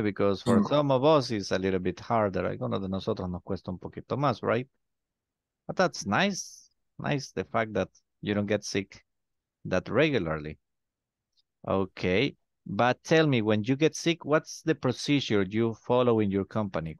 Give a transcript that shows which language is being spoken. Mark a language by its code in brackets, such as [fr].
[en] because for some of us, it's a little bit harder. [es] Algunos de nosotros nos cuesta un poquito más, right? [en] But that's nice. Nice, the fact that you don't get sick that regularly. Okay, but tell me, when you get sick, what's the procedure you follow in your company?